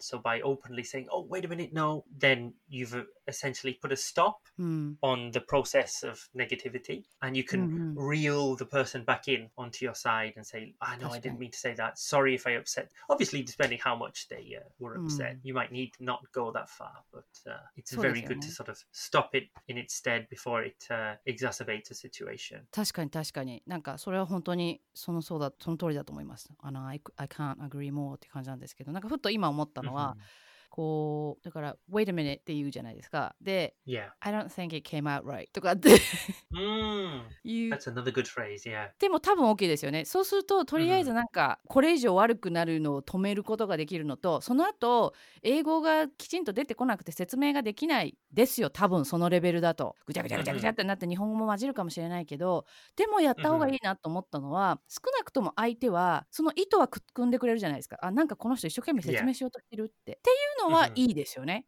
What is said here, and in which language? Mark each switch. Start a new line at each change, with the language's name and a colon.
English: So by openly saying, oh, wait a minute, no, then you've essentially put a stop on the process of negativity and you can reel the person back in onto your side and say, I know I didn't mean to say that. Sorry if I upset. Obviously, depending how much they were upset, you might need not go that far, but it's very good to sort of stop it in its stead before it exacerbates a situation.
Japanese: 確かに確かに。なんかそれは本当にその通りだと思います。
English: I can't agree more
Japanese: って感じなんですけど、なんかふっと今思ったのは、こうだから
English: wait a minute
Japanese: って言うじゃないですか。で、
English: yeah. I don't think it came out right
Japanese: とかって、
English: That's another good phrase. Yeah.
Japanese: でも多分 OK ですよね。そうするととりあえずなんかこれ以上悪くなるのを止めることができるのと、その後英語がきちんと出てこなくて説明ができないですよ。多分そのレベルだとぐちゃぐちゃぐちゃぐちゃってなって日本語も混じるかもしれないけど、でもやった方がいいなと思ったのは、少なくとも相手はその意図は汲んでくれるじゃないですか。あ、なんかこの人一生懸命説明しようとしてるって、っていうのはいいですよね。